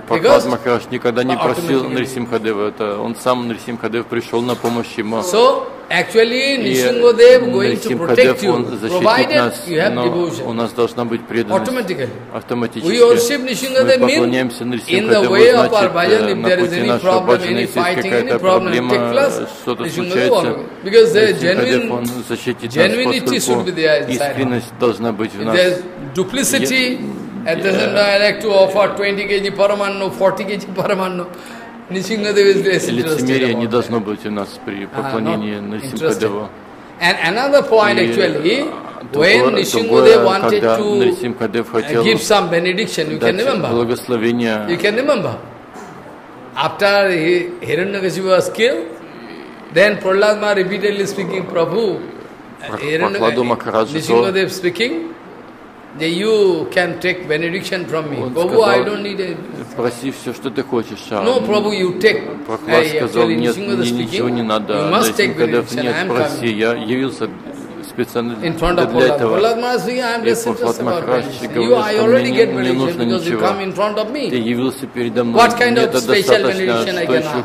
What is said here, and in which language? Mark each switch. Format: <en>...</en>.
<ru>Прахлад Махарадж никогда не просил Нрисимхадева. Это он сам Нрисимхадев пришел на помощь ему.</ru> <en>So actually Нрисимхадев going to protect you, provided you have devotion.</en> <ru>У нас должна быть преданность.</ru> <en>Automatically. We worship Нрисимхадев</en> <ru>поклоняемся Нрисимхадеву, значит, на пути нашего Бхаджана, если есть какая-то проблема, что-то случается, Нрисимхадев он защитит нас. Искренность должна быть в нас.</ru> <en>There's duplicity. I like to offer 20 kg paramanno, 40 kg paramanno. Нрисимхадев is less interested.</en> <ru>Лицемерие не должно быть у нас при поклонении Нрисимхадеву.</ru> <en>And another point actually, when Нрисимхадев wanted to give some benediction, you can remember.</en> <ru>Благословение.</ru> <en>You can remember. After Hiranya Kashipu was killed, then Prahlad Maharaj repeatedly speaking, Prabhu.</en> <ru>Прахладу Махараджу,</ru> <en>Нрисимхадев speaking, that you can take benediction from me. Prabhu, I don't need a.</en> <ru>Проси все, что ты хочешь.</ru> <en>No, Prabhu, you take.</en> <ru>Прахлад сказал, нет, мне ничего не надо. Нрисимхадев, нет, проси, я явился с специально</ru> <en>in front of</en> <ru>для этого.</ru> <en>Prahlad Maharaj, I am just interested about this. You, I already get religion because you come in front of me.</en> <ru>Ты явился передо мной.</ru> <en>What kind of special religion I can ask?</en>